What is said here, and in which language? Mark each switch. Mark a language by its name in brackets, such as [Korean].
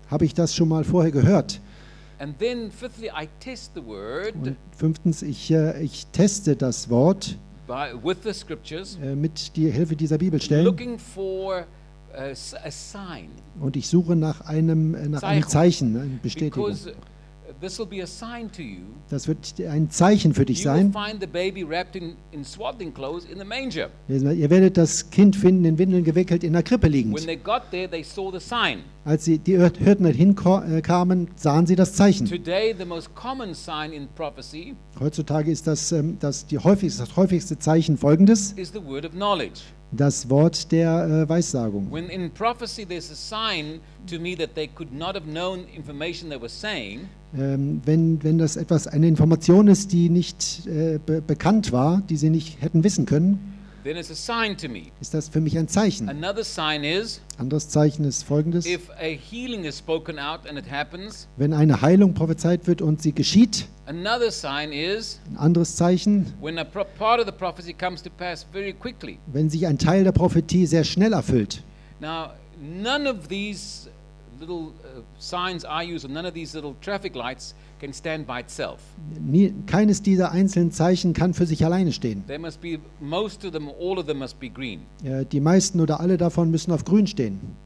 [German] Habe ich das schon mal vorher gehört? [English] And then, fifthly, I test the word, [German] und fünftens, ich teste das Wort [English] with the scriptures, [German] mit der Hilfe dieser Bibelstellen. [English] Looking for a sign. [German] Und ich suche nach einem Zeichen, einer Bestätigung. [English] Because this will be a sign to you. [German] Das wird ein Zeichen für dich sein. [English] Find the baby wrapped in swaddling clothes in the manger. [German] Ihr werdet das Kind finden, in Windeln gewickelt, in der Krippe liegend. [English] When they got there, they saw the sign. [German] Als sie die Hirten dahin kamen, sahen sie das Zeichen. [English] Today, the most common sign in prophecy, [German] heutzutage ist das häufigste Zeichen folgendes. [English] Is the word of knowledge. [German] Das Wort der Weissagung. [English] When in prophecy there's a sign to me that they could not have known information they were saying. [German] Wenn das etwas eine Information ist, die nicht bekannt war, die sie nicht hätten wissen können, [English] then it's a sign to me. [German] Ist das für mich ein Zeichen. [English] Another sign is, [German] anderes Zeichen ist folgendes. [English] If a healing is spoken out and it happens, [German] wenn eine Heilung prophezeit wird und sie geschieht, [English] another sign is, [German] ein anderes Zeichen, [English] when a part of the prophecy comes to pass very quickly, [German] wenn sich ein Teil der Prophetie sehr schnell erfüllt. [English] Now, none of these little signs I use, or none of these little traffic lights, can stand by itself. [German] Keines dieser einzelnen Zeichen kann für sich alleine stehen. [English] There must be most of them, all of them must be green. [German] Die meisten oder alle davon müssen auf grün stehen.